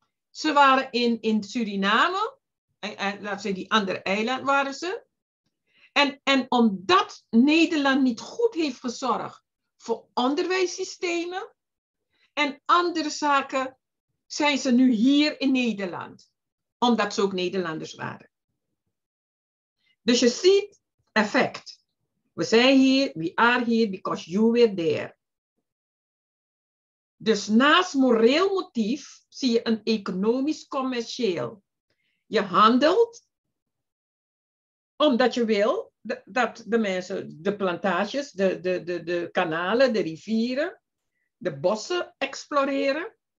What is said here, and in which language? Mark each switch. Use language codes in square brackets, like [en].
[nl] Ze waren in Suriname, die andere eiland waren ze. En omdat Nederland niet goed heeft gezorgd voor onderwijssystemen en andere zaken, zijn ze nu hier in Nederland, omdat ze ook Nederlanders waren. Dus je ziet effect. We zijn hier, [en] we are here because you were there. [nl] Dus naast moreel motief zie je een economisch-commercieel. Je handelt omdat je wil dat de mensen, de plantages, de kanalen, de rivieren, de bossen exploreren.